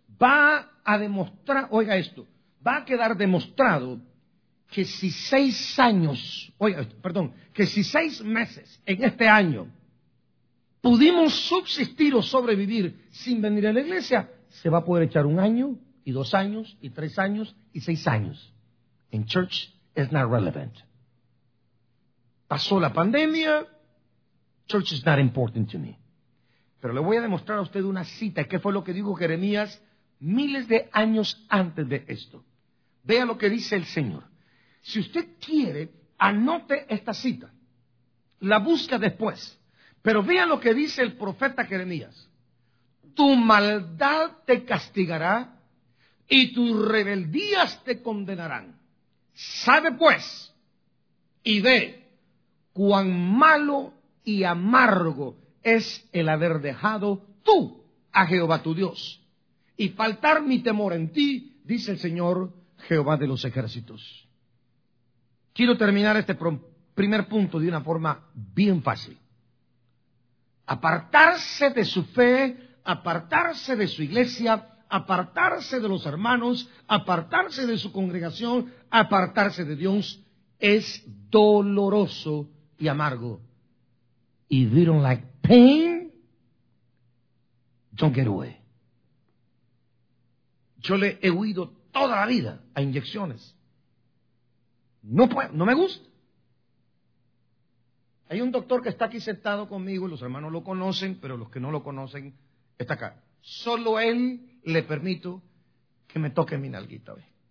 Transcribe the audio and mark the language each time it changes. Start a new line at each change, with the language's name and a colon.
Spanish: Va a demostrar, oiga esto, va a quedar demostrado que si 6 años, oiga, perdón, que si 6 meses en este año pudimos subsistir o sobrevivir sin venir a la iglesia, se va a poder echar 1 año, y 2 años, y 3 años, y 6 años.
English: In church is not relevant.
Spanish: Pasó la pandemia,
English: church is not important to me.
Spanish: Pero le voy a demostrar a usted una cita, que fue lo que dijo Jeremías miles de años antes de esto. Vea lo que dice el Señor. Si usted quiere, anote esta cita. La busca después. Pero vea lo que dice el profeta Jeremías. Tu maldad te castigará y tus rebeldías te condenarán. Sabe pues y ve cuán malo y amargo es el haber dejado tú a Jehová tu Dios. Y faltar mi temor en ti, dice el Señor Jehová de los ejércitos. Quiero terminar este primer punto de una forma bien fácil. Apartarse de su fe, apartarse de su iglesia, apartarse de los hermanos, apartarse de su congregación, apartarse de Dios, es doloroso y amargo.
English: If you don't like pain, don't get away.
Spanish: Yo le he huido toda la vida a inyecciones. No puedo, no me gusta. Hay un doctor que está aquí sentado conmigo, y los hermanos lo conocen, pero los que no lo conocen, está acá. Solo él le permito que me toque mi nalguita hoy.